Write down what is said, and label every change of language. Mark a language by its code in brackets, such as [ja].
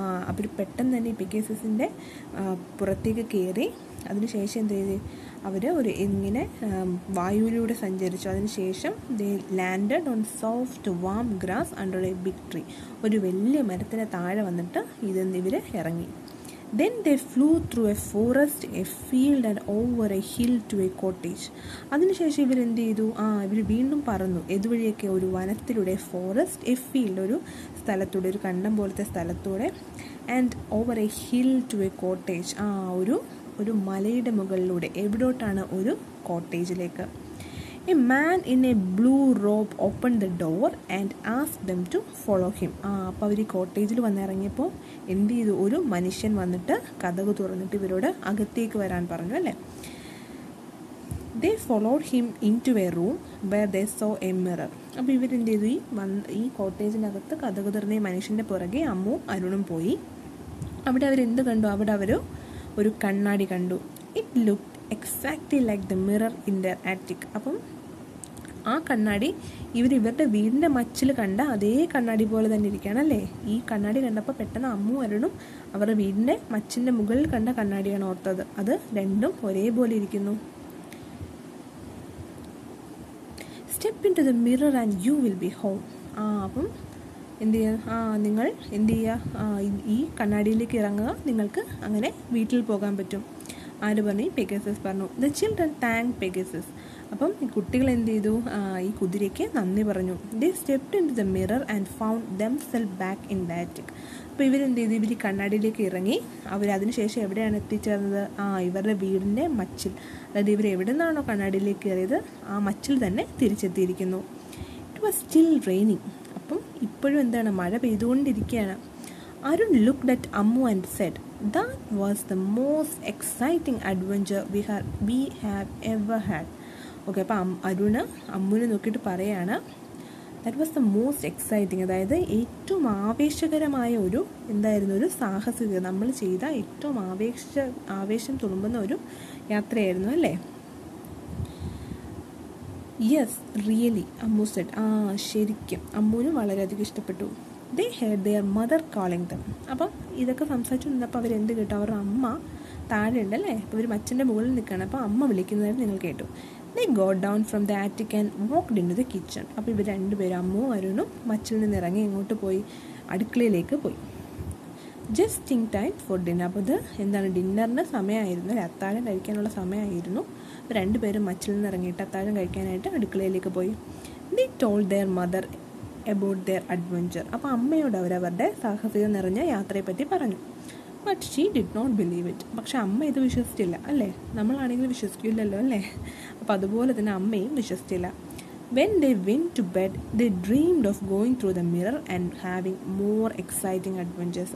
[ml] അവർ പെട്ടെന്ന് തന്നെ പിഗസസിൻ്റെ പുറത്തേക്ക് കയറി. അതിനുശേഷം എന്ത് ചെയ്ത്? അവർ ഒരു ഇങ്ങനെ വായുവിലൂടെ സഞ്ചരിച്ചു. അതിനുശേഷം [en] They landed on soft warm grass under a big tree. [ml] ഒരു വലിയ മരത്തിൻ്റെ താഴെ വന്നിട്ട് ഇതെന്ന് ഇവർ ഇറങ്ങി. [en] Then they flew through a forest, a field and over a hill to a cottage. [ml] അതിനുശേഷം ഇവരെന്ത് ചെയ്തു? ആ ഇവർ വീണ്ടും പറന്നു. എതുവഴിയൊക്കെ ഒരു വനത്തിലൂടെ, [en] forest, a field, [ml] ഒരു സ്ഥലത്തൂടെ, ഒരു കണ്ടം പോലത്തെ സ്ഥലത്തൂടെ, [en] And over a hill to a cottage. [ml] ആ ഒരു ഒരു മലയുടെ മുകളിലൂടെ, എവിടോട്ടാണ്? ഒരു കോട്ടേജിലേക്ക്. [en] A man in a blue robe open the door and ask them to follow him. [ml] ആ അപ്പോൾ അവർ ഈ കോട്ടേജിൽ വന്നിറങ്ങിയപ്പോൾ എന്ത് ചെയ്തു? ഒരു മനുഷ്യൻ വന്നിട്ട് കതക് തുറന്നിട്ട് ഇവരോട് അകത്തേക്ക് വരാൻ പറഞ്ഞു അല്ലേ. [en] They followed him into a room where they saw a mirror. [ml] അപ്പോൾ ഇവരെന്ത് ചെയ്തു? ഈ വന്ന് ഈ കോട്ടേജിനകത്ത് കഥകൾ തുറന്ന ഈ മനുഷ്യൻ്റെ പുറകെ അമ്മും അരുണും പോയി. അവിടെ അവരെന്ത് കണ്ടു? അവിടെ അവർ ഒരു കണ്ണാടി കണ്ടു. [en] It look exactly like the mirror in their attic. [ml] അപ്പം ആ കണ്ണാടി ഇവരിവരുടെ വീടിൻ്റെ മച്ചിൽ കണ്ട അതേ കണ്ണാടി പോലെ തന്നെ ഇരിക്കുകയാണ് അല്ലേ. ഈ കണ്ണാടി കണ്ടപ്പോൾ പെട്ടെന്ന് അമ്മും അരുണും അവരുടെ വീടിൻ്റെ മച്ചിൻ്റെ മുകളിൽ കണ്ട കണ്ണാടിയാണ് ഓർത്തത്. അത് രണ്ടും ഒരേപോലെ ഇരിക്കുന്നു. [en] Step into the mirror and you will be home. [ml] അപ്പം എന്ത് ചെയ്യുക? ആ നിങ്ങൾ എന്ത് ചെയ്യുക? ഈ കണ്ണാടിയിലേക്ക് ഇറങ്ങുക, നിങ്ങൾക്ക് അങ്ങനെ വീട്ടിൽ പോകാൻ പറ്റും. ആര് പറഞ്ഞു? ഈ പെഗസസ് പറഞ്ഞു. [en] The children thank Pegasus. [ml] അപ്പം ഈ കുട്ടികൾ എന്ത് ചെയ്തു? ഈ കുതിരയ്ക്ക് നന്ദി പറഞ്ഞു. [en] They step in the mirror and found themselves back in that. [ml] അപ്പോൾ ഇവരെന്ത് ചെയ്തു? ഇവർ ഈ കണ്ണാടിയിലേക്ക് ഇറങ്ങി. അവരതിനു ശേഷം എവിടെയാണ് എത്തിച്ചേർന്നത്? ആ ഇവരുടെ വീടിൻ്റെ മച്ചിൽ. അതായത് ഇവർ എവിടെ നിന്നാണോ കണ്ണാടിയിലേക്ക് കയറിയത്, ആ മച്ചിൽ തന്നെ തിരിച്ചെത്തിയിരിക്കുന്നു. [en] It was still raining. [ml] അപ്പം ഇപ്പോഴും എന്താണ്? മഴ പെയ്തുകൊണ്ടിരിക്കുകയാണ്. [en] Arun look at Ammu and said That was the most exciting adventure we have ever had. [ml] Okay, അപ്പം അരുണ് അമ്മുവിനെ നോക്കിയിട്ട് പറയാണ്, [en] That was the most exciting. [ml] അതായത് ഏറ്റവും ആവേശകരമായ ഒരു എന്തായിരുന്നു? ഒരു സാഹസിക, നമ്മൾ ചെയ്ത ഏറ്റവും ആവേശം തുളുമ്പുന്ന ഒരു യാത്രയായിരുന്നു അല്ലേ. [en] Yes really, Ammu said. [ml] ആ ശരിക്കും അമ്മുവിനും വളരെയധികം ഇഷ്ടപ്പെട്ടു. [en] They heard their mother calling them. [ml] അപ്പം ഇതൊക്കെ സംസാരിച്ചു നിന്നപ്പോൾ അവരെന്ത് കേട്ടു? അവരുടെ അമ്മ താഴെ ഉണ്ടല്ലേ, അപ്പോൾ അവർ അച്ഛൻ്റെ മുകളിൽ നിൽക്കുകയാണ്. അപ്പോൾ അമ്മ വിളിക്കുന്നതായിട്ട് നിങ്ങൾ കേട്ടു. [en] They got down from the attic and walked into the kitchen. [ml] അപ്പോൾ ഇവർ രണ്ടുപേരും അമ്മയും അരുണും മച്ചിൽ നിന്ന് ഇറങ്ങി ഇങ്ങോട്ട് പോയി, അടുക്കളയിലേക്ക് പോയി. [en] Just in time for dinner. [ml] അപ്പോൾ ഇത് എന്താണ്? ഡിന്നറിന് സമയമായിരുന്നു, അത്താഴം കഴിക്കാനുള്ള സമയമായിരുന്നു. അപ്പോൾ രണ്ടുപേരും മച്ചിൽ നിന്ന് ഇറങ്ങിയിട്ട് അത്താഴം കഴിക്കാനായിട്ട് അടുക്കളയിലേക്ക് പോയി. [en] They told their mother about their adventure. [ml] അപ്പോൾ അമ്മയോട് അവരവരുടെ സാഹസികം നിറഞ്ഞ യാത്രയെപ്പറ്റി പറഞ്ഞു. [en] But she did not believe it. [ml] പക്ഷേ അമ്മ ഇത് വിശ്വസിച്ചില്ല അല്ലേ. നമ്മളാണെങ്കിൽ വിശ്വസിക്കില്ലല്ലോ അല്ലേ. അപ്പോൾ അതുപോലെ തന്നെ അമ്മയും വിശ്വസിച്ചില്ല. [en] When they went to bed they dreamed of going through the mirror and having more exciting adventures.